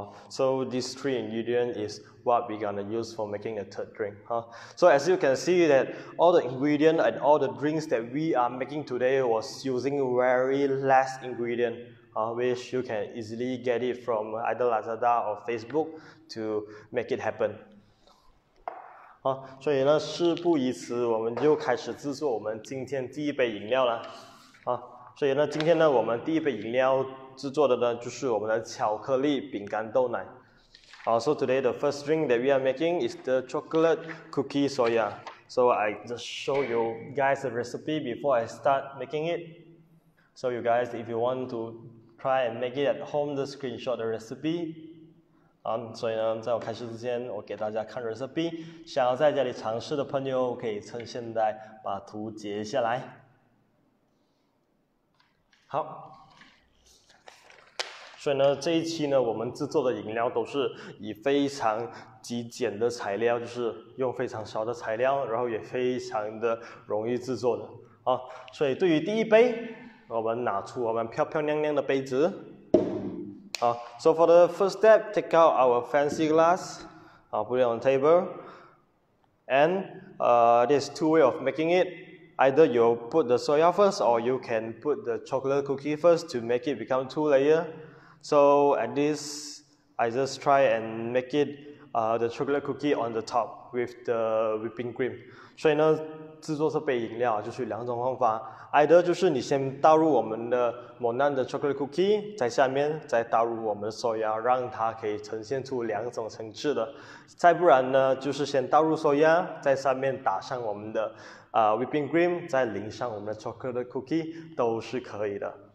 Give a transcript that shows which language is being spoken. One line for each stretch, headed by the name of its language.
English: So these three ingredients is what we're gonna use for making a third drink. So as you can see that all the ingredients and all the drinks that we are making today was using very less ingredient, which you can easily get it from either Lazada or Facebook to make it happen.
Chinese: 所以呢，事不宜迟，我们就开始制作我们今天第一杯饮料了。所以呢，今天呢，我们第一杯饮料制作的呢，就是我们的巧克力饼干豆奶。
English: So today the first drink that we are making is the chocolate cookie soya. So I just show you guys the recipe before I start making it. So you guys, if you want to try and make it at home, just screenshot the recipe.
Chinese: 所以呢，在我开始之前，我给大家看 recipe。想要在家里尝试的朋友，可以趁现在把图截下来。好，所以呢，这一期呢，我们制作的饮料都是以非常极简的材料，就是用非常少的材料，然后也非常的容易制作的啊。所以对于第一杯，我们拿出我们漂漂亮亮的杯子。
English: So for the first step, take out our fancy glass, put it on the table, and there's two way of making it. Either you put the soya first, or you can put the chocolate cookie first to make it become two layer. So at this, I just try and make it the chocolate cookie on the top with the whipping cream.
Chinese: 所以呢，制作这杯饮料就是两种方法。 Either 就是你先倒入我们的Monan的 chocolate cookie， 在下面再倒入我们的 soya， 让它可以呈现出两种层次的。再不然呢，就是先倒入 soya， 在上面打上我们的whipping cream， 再淋上我们的 chocolate cookie， 都是可以的。